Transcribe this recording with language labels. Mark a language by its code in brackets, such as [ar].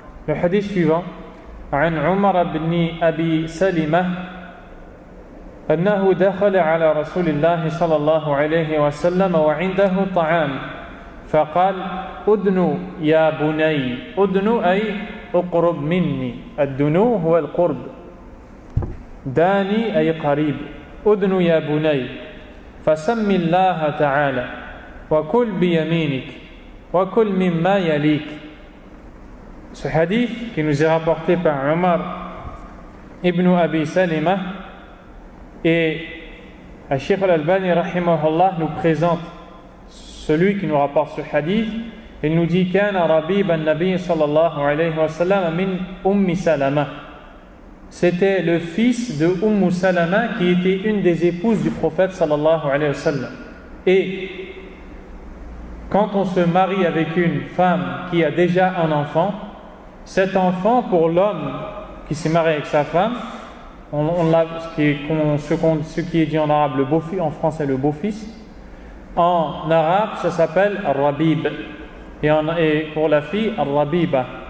[fr] Le hadith suivant, [ar] عن عمر بن أبي سلمة أنه دخل على رسول الله صلى الله عليه وسلم وعنده طعام فقال أدنو يا بني أدنو أي أقرب مني الدنو هو القرب داني أي قريب أدنو يا بني فسم الله تعالى وكل بيمينك وكل مما يليك. [fr] Ce hadith qui nous est rapporté par Omar ibn Abi Salima et Al-Sheikh Al-Albani rahimahullah nous présente celui qui nous rapporte ce hadith. Il nous dit [ar] كَانَ رَبِيبَ النَّبِيِّ صَلَى اللَّهُ عَلَيْهُ وَسَلَّمَ مِنْ أُمِّ سَلَمَة. [fr] C'était le fils de Ummu Salama qui était une des épouses du prophète sallallahu alayhi wa sallam. Et quand on se marie avec une femme qui a déjà un enfant, cet enfant, pour l'homme qui s'est marié avec sa femme, ce qui est dit en arabe, le beau-fils, en français le beau-fils, en arabe ça s'appelle Rabib, et pour la fille Rabiba.